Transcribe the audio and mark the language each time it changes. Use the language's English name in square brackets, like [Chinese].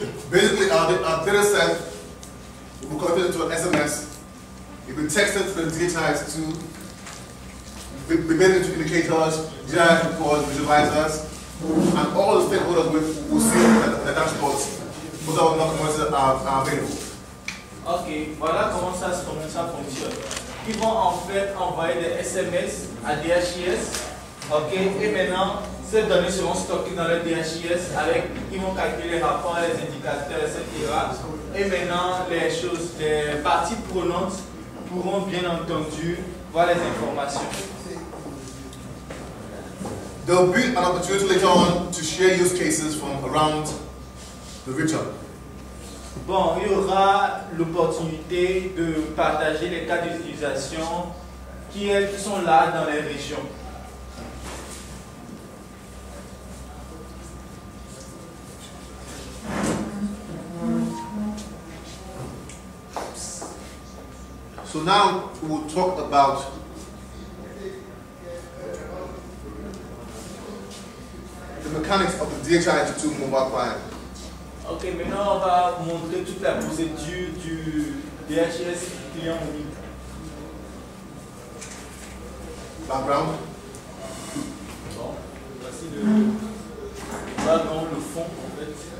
[English] Basically, our data set will be converted into an SMS. It will be texted to the DHIS to be made into indicators, GIS reports, visualizers, and all the stakeholders will see the dashboards. Those are not commodities that are available. [French] Okay, voilà comment ça se commence à fonctionner. Ils vont en fait envoyer des SMS à DHIS, okay, et maintenant, ces données seront stockées dans le DHIS avec, ils vont calculer les rapports, les indicateurs, etc. Et maintenant, les parties prenantes pourront bien entendu voir les informations. [English] There will be an opportunity later on to share use cases from around the region. [French] Bon, il y aura l'opportunité de partager les cas d'utilisation qui sont là dans les régions. [English] So now we will talk about the mechanics of the DHIS 2 mobile client. [French] Okay, maintenant on va montrer toute la procédure du DHIS client mobile. [English] Background. [French] Bon, voici le background, le fond en fait.